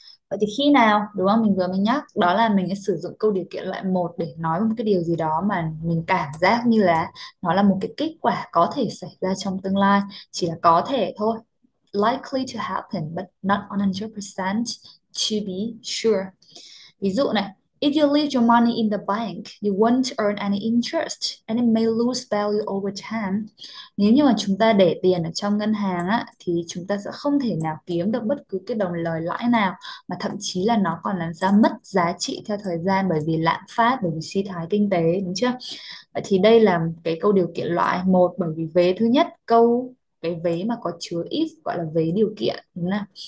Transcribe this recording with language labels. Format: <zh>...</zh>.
<vi>Vậy thì khi nào, đúng không, mình vừa mới nhắc đó là mình sẽ sử dụng câu điều kiện loại một để nói một cái điều gì đó mà mình cảm giác như là nó là một cái kết quả có thể xảy ra trong tương lai, chỉ là có thể thôi,</vi> <en>likely to happen but not 100% to be sure.</en> <vi>Ví dụ này,</vi> <en>if you leave your money in the bank, you won't earn any interest and it may lose value over time.</en> <vi>Nếu như mà chúng ta để tiền ở trong ngân hàng á, thì chúng ta sẽ không thể nào kiếm được bất cứ cái đồng lời lãi nào, mà thậm chí là nó còn làm ra mất giá trị theo thời gian bởi vì lạm phát, bởi vì suy thoái kinh tế, đúng chưa? Vậy thì đây là cái câu điều kiện loại một, bởi vì vế thứ nhất, câu cái vế mà có chứa if gọi là vế điều kiện, đúng không?</vi>